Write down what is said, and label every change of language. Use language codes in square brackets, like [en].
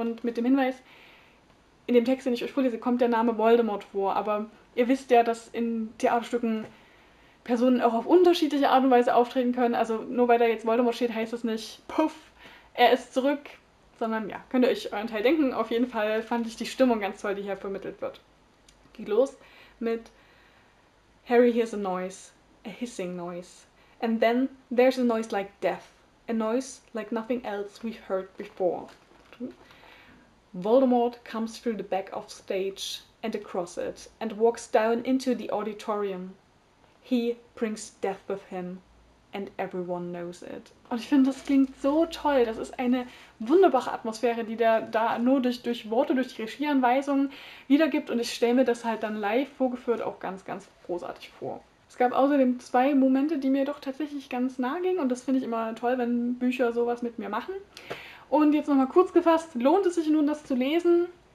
[de] Und mit dem Hinweis, in dem Text, den ich euch vorlese, kommt der Name Voldemort vor, aber ihr wisst ja, dass in Theaterstücken Personen auch auf unterschiedliche Art und Weise auftreten können. Also nur weil da jetzt Voldemort steht, heißt das nicht, puff, er ist zurück. Sondern ja, könnt ihr euch euren Teil denken. Auf jeden Fall fand ich die Stimmung ganz toll, die hier vermittelt wird. Geht los mit [en] Harry hears a noise, a hissing noise. And then there's a noise like death, a noise like nothing else we've heard before. Voldemort comes through the back of stage and across it and walks down into the auditorium. He brings death with him, and everyone knows it. [de] Und ich finde, das klingt so toll. Das ist eine wunderbare Atmosphäre, die der da nur durch Worte, durch die Regieanweisungen wiedergibt. Und ich stelle mir das halt dann live vorgeführt auch ganz, ganz großartig vor. Es gab außerdem zwei Momente, die mir doch tatsächlich ganz nah gingen. Und das finde ich immer toll, wenn Bücher sowas mit mir machen. Und jetzt nochmal kurz gefasst, lohnt es sich nun, das zu lesen?